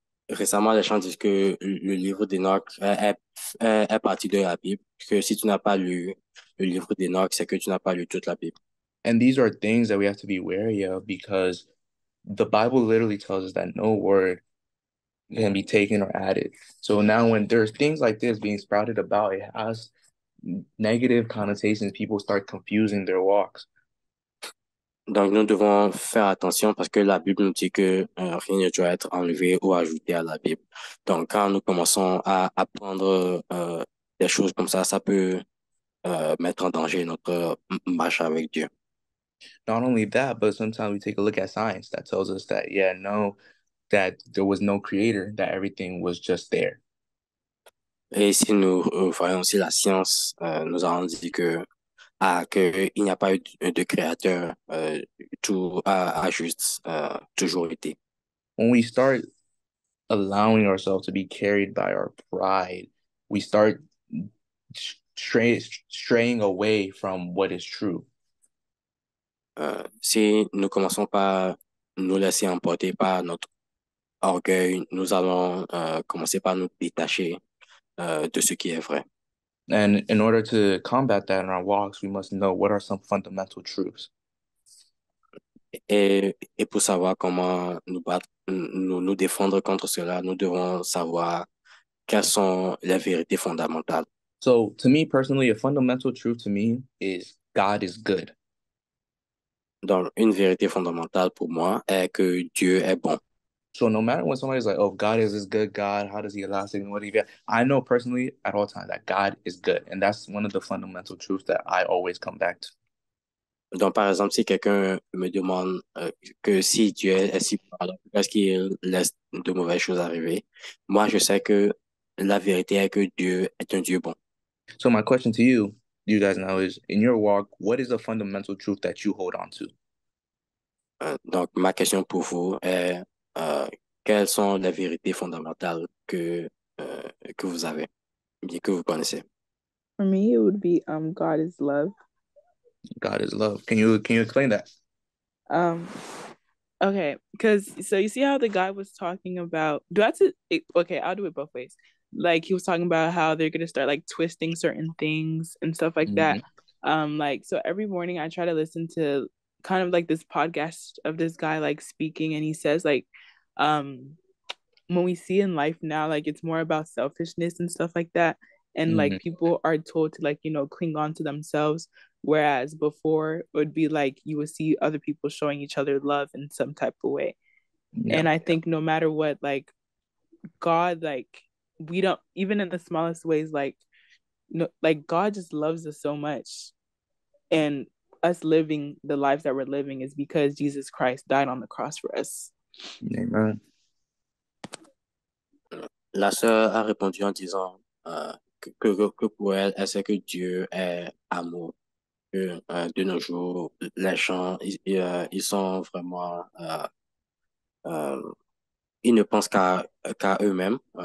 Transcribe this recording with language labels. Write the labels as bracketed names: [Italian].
[French] Récemment, les gens disent que le livre d'Enoch est parti de la Bible, que si tu n'as pas lu le livre d'Enoch, c'est que tu n'as pas lu toute la Bible. [English] And these are things that we have to be wary of, because the Bible literally tells us that no word can be taken or added. So now when there's things like this being sprouted about, it has negative connotations. People start confusing their walks. [French] Donc nous devons faire attention, parce que la Bible nous dit que rien ne doit être enlevé ou ajouté à la Bible. Donc quand nous commençons à apprendre des choses comme ça, ça peut mettre en danger notre marche avec Dieu. [English] Not only that, but sometimes we take a look at science that tells us that, yeah, no, that there was no creator, that everything was just there. [French] Et si nous voyons aussi la science, nous avons dit qu'il n'y a pas eu de créateur, tout a juste toujours été. [English] When we start allowing ourselves to be carried by our pride, we start straying away from what is true. [French] Si nous commençons pas nous laisser emporter par notre orgueil, nous allons commencer par nous détacher de ce qui est vrai. [English] And in order to combat that in our walks, we must know what are some fundamental truths. [French] Et pour savoir comment nous battre, nous défendre contre cela, nous devons savoir quelles sont les vérités fondamentales. [English] So to me personally, a fundamental truth to me is God is good. [French] Donc, une vérité fondamentale pour moi est que Dieu est bon. [English] So no matter when somebody's like, oh, God is this good God, how does he allow things, what do you get? I know personally at all times that God is good. And that's one of the fundamental truths that I always come back to. [French] Donc, par exemple, si quelqu'un me demande que si Dieu est si bon, est-ce qu'il laisse de mauvaises choses arriver? Moi, je sais que la vérité est que Dieu est un Dieu bon. [English] So my question to you, you guys know, is in your walk, what is the fundamental truth that you hold on to? [French] Donc ma question pour vous est quelles sont les vérités fondamentales que vous avez, bien que vous connaissez? [English] For me, it would be God is love. God is love. Can you explain that? Okay, because so you see how the guy was talking about, do I have to, okay, I'll do it both ways. Like, he was talking about how they're going to start, like, twisting certain things and stuff like that. Like, so every morning I try to listen to kind of, like, this podcast of this guy, like, speaking. And he says, like, when we see in life now, like, it's more about selfishness and stuff like that. And, like, people are told to, like, you know, cling on to themselves. Whereas before, it would be, like, you would see other people showing each other love in some type of way. Yeah. And I think no matter what, like, God, like, we don't, even in the smallest ways, like, no, like, God just loves us so much. And us living the lives that we're living is because Jesus Christ died on the cross for us. Amen. [French] La sœur a répondu en disant que pour elle, elle sait que Dieu est amour. Que de nos jours, les gens, ils sont vraiment, ils ne pensent qu'à eux-mêmes.